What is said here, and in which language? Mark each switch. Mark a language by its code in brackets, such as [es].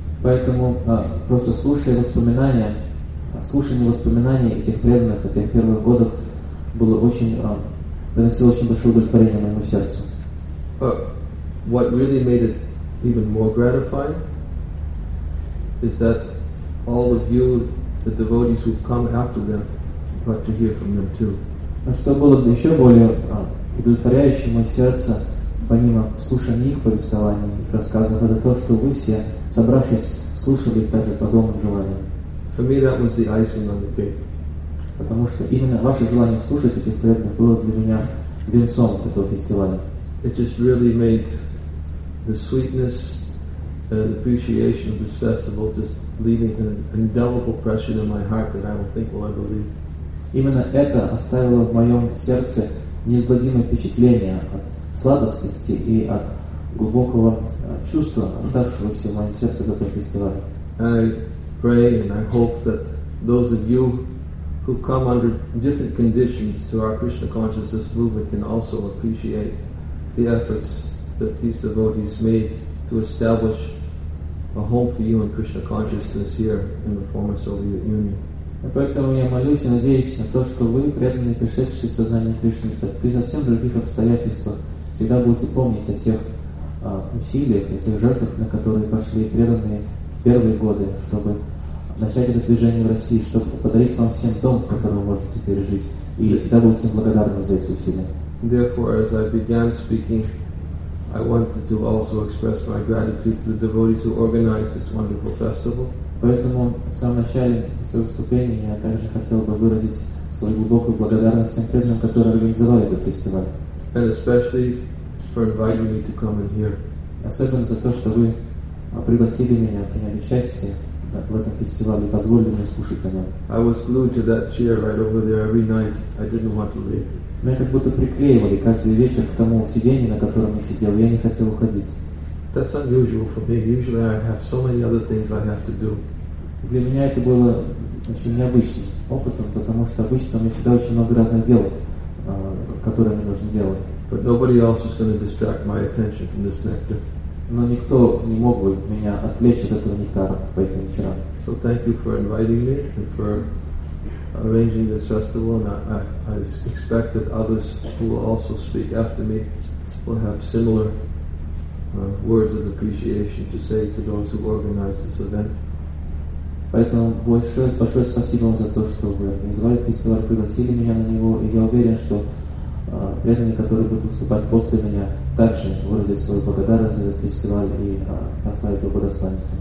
[ru] Поэтому просто слушая воспоминания, слушание воспоминаний этих преданных о тех первых годах было очень, приносило очень большое удовлетворение моему сердцу. [en] What really made it even more gratifying is that all of you, the devotees who come after them, got to hear from them too. [ru] Но что было еще более удовлетворяющим моему сердцу, помимо слушания их повествований и рассказов, это то, что вы все, собравшись, слушали их также с подобным желанием. [en] For me, that was the icing on the cake. [ru] Потому что именно ваше желание слушать этих преданных было для меня венцом этого фестиваля. [en] It just really made the sweetness and appreciation of this festival just leaving an indelible pressure in my heart that I will think, well, I believe. [ru] Именно это оставило в моем сердце неизгладимое впечатление от сладостности и от глубокого чувства, оставшегося в моем сердце до этого фестиваля. [en] And I pray and I hope that those of you who come under different conditions to our Krishna consciousness movement can also appreciate the efforts that these devotees made to establish a home for you in Krishna consciousness here in the former Soviet Union. [ru] Поэтому я молюсь и надеюсь на то, что вы, преданные пришедшие в сознание Кришны, при совсем других обстоятельствах, всегда будете помнить о тех усилиях, о тех жертвах, на которые пошли преданные в первые годы, чтобы начать это движение в России, чтобы подарить вам всем дом, в котором вы можете теперь жить. И всегда будете благодарны за эти усилия. [en] Therefore, as I began speaking, I wanted to also express my gratitude to the devotees who organized this wonderful festival. [ru] Поэтому в самом начале своего выступления я также хотел бы выразить свою глубокую благодарность всем преданным, которые организовали этот фестиваль. [en] And especially for inviting me to come in here. [ru] Особенно за то, что вы пригласили меня, приняли участие в этом фестивале, позволили мне слушать о нем. [en] I was glued to that chair right over there every night. I didn't want to leave. [ru] Меня как будто приклеивали каждый вечер к тому сиденью, на котором я сидел. Я не хотел уходить. [en] That's unusual for me. Usually I have so many other things I have to do. [ru] Для меня это было очень необычным опытом, потому что обычно у меня всегда очень много разных дел, которые мне нужно делать. [en] But nobody else was going to distract my attention from this nectar. [ru] Но никто не мог бы меня отвлечь от этого нектара по этим вечерам. [en] So thank you for inviting me and for arranging this festival, and I expect that others who will also speak after me will have similar words of appreciation to say to those who organize this event. [ru] Поэтому большое спасибо вам за то, что вы организовали фестиваль, пригласили меня на него, и я уверен, что преданные, которые будут выступать после меня, также выразят свою благодарность за этот фестиваль и прославят его достоинство.